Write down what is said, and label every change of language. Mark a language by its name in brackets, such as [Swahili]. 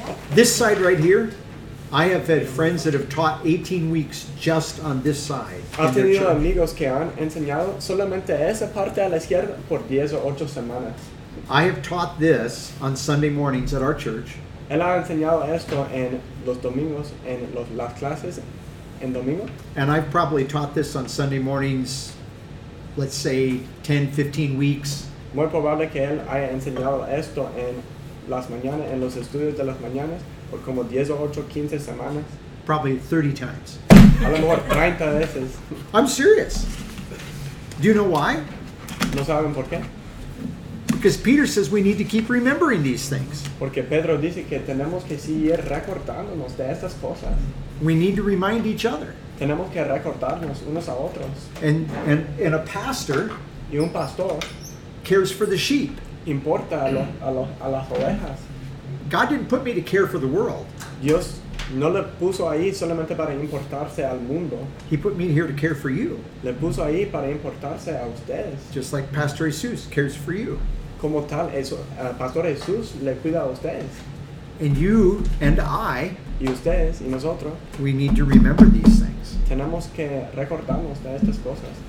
[English] This side right here, I have had friends that have taught 18 weeks just on this side. [Spanish] Ha tenido amigos que han enseñado solamente esa parte a la izquierda por 10 o 8 semanas. [English] I have taught this on Sunday mornings at our church. [Spanish] Él ha enseñado esto en los domingos, en las clases en domingo. [English] And I've probably taught this on Sunday mornings, let's say 10, 15 weeks. [Spanish] Muy probable que él haya enseñado esto en las mañanas, en los estudios de las mañanas, por como 10 o 8, 15 semanas. [English] Probably 30 times. [Spanish] A lo mejor 30 veces. [English] I'm serious. Do you know why? [Spanish] ¿No saben por qué? [English] Because Peter says we need to keep remembering these things. [Spanish] Porque Pedro dice que tenemos que seguir recordándonos de estas cosas. [English] We need to remind each other. [Spanish] Tenemos que recordarnos unos a otros. [English] And a pastor, [Spanish] y un pastor, [English] cares for the sheep. [Spanish] Importa a las ovejas. [English] God didn't put me to care for the world. [Spanish] Dios no le puso ahí solamente para importarse al mundo. [English] He put me here to care for you. [Spanish] Le puso ahí para importarse a ustedes. [English] Just like Pastor Jesus cares for you. [Spanish] Como tal, eso, Pastor Jesús le cuida a ustedes. [English] And you and I, [Spanish] y ustedes y nosotros, [English] we need to remember these things. [Spanish] Tenemos que recordarnos de estas cosas.